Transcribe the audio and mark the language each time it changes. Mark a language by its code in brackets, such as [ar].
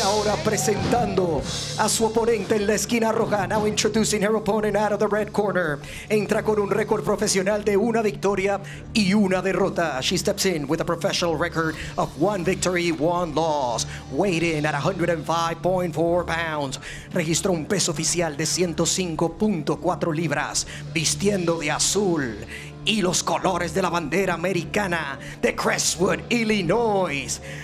[es] ahora presentando a su oponente en la esquina roja. [en] Now introducing her opponent out of the red corner. [es] Entra con un récord profesional de una victoria y una derrota. [en] She steps in with a professional record of one victory, one loss. Weighed in at 105.4 pounds. [es] Registró un peso oficial de 105.4 libras. Vistiendo de azul y los colores de la bandera americana de Crestwood, Illinois.